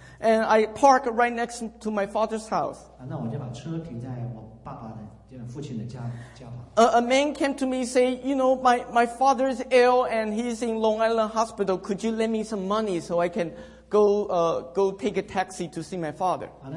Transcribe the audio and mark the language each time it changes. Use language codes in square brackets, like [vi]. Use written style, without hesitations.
[en] And I park right next to my father's house. [zh] 那我就把车停在我爸爸的，就 [en] A man came to me and said, you know, my father is ill and he's in Long Island Hospital. Could you lend me some money so I can go take a taxi to see my father?